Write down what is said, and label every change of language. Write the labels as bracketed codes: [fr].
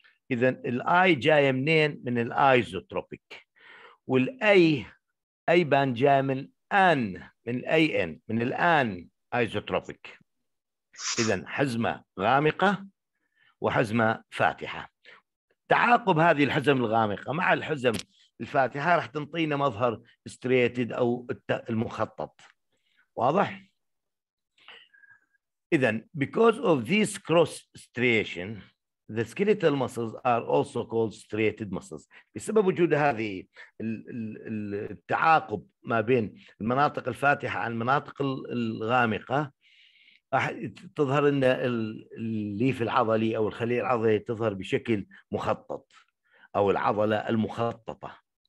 [ar] اذا الاي جاية منين؟ من الايزوتروبيك، والاي اي بان جاية من ان، من اي ان، من الان ايزوتروبيك. اذا حزمة غامقة وحزمة فاتحة، تعاقب هذه الحزم الغامقة مع الحزم الفاتحة راح تنطينا مظهر استرياتد او المخطط. واضح؟ إذن [en] because of this cross striation the skeletal muscles are also called striated muscles. [ar] بسبب وجود هذه التعاقب ما بين المناطق الفاتحة عن المناطق الغامقة تظهر لنا الليف العضلي أو الخلية العضلية تظهر بشكل مخطط أو العضلة المخططة.